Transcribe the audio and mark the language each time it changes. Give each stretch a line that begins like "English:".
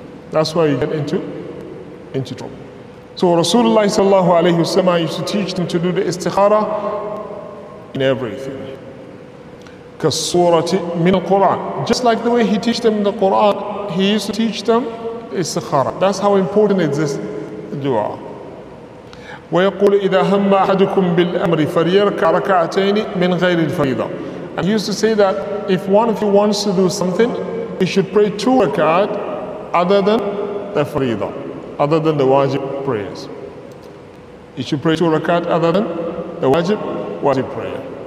English: That's why you get into trouble. So Rasulullah sallallahu alaihi wasallam used to teach them to do the istikhara in everything.
Arabic: Kasurati min al-Quran.
English: Just like the way he teach them in the Quran, he used to teach them istikhara. That's how important it is, dua.
Arabic: ويقول إذا هم أحدكم بالأمر فليركع ركعتين من غير الفريضة.
English: And he used to say that if one of you wants to do something, he should pray two rakat other than the farida, other than the wajib prayers. He should pray two rakat other than the wajib prayer.